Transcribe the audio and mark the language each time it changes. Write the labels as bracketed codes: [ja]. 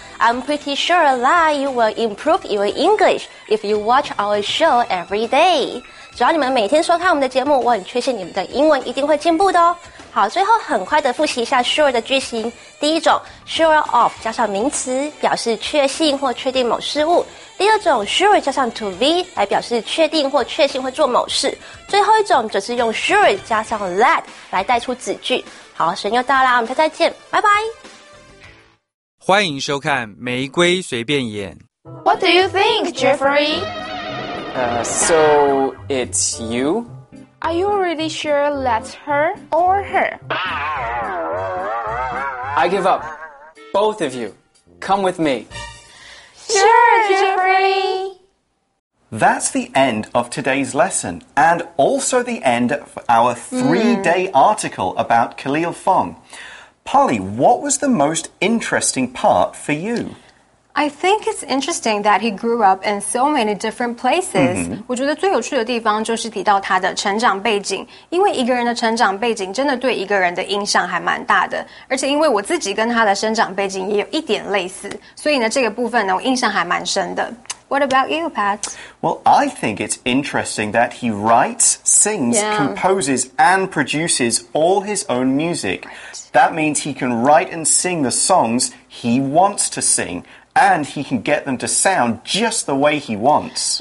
[en] I'm pretty sure that you will improve your English if you watch our show every day. [zh] 只要你们每天收看我们的节目，我很确信你们的英文一定会进步的哦。好，最后很快的复习一下 sure 的句型。第一种 sure of 加上名词，表示确信或确定某事物。第二种 sure 加上 to be 来表示确定或确信会做某事。最后一种则是用 sure 加上 that 来带出子句。好，时间又到啦，我们再见，拜拜。欢迎收看《玫瑰随便演》。 [en] What do you think, Jeffrey? So it's you. Are you really sure that's her or her? I give up. Both of you, come with me. Sure, Jeffrey! That's the end of today's lesson, and also the end of our three-day article about Khalil Fong. Polly, what was the most interesting part for you? I think it's interesting that he grew up in so many different places.、Mm-hmm. [zh] 我觉得最有趣的地方就是提到他的成长背景，因为一个人的成长背景真的对一个人的影响还蛮大的。而且因为我自己跟他的生长背景也有一点类似，所以呢，这个部分呢，我印象还蛮深的。 [en] What about you, Pat? Well, I think it's interesting that he writes, sings,、yeah. composes, and produces all his own music.、Right. That means he can write and sing the songs he wants to sing. And he can get them to sound just the way he wants.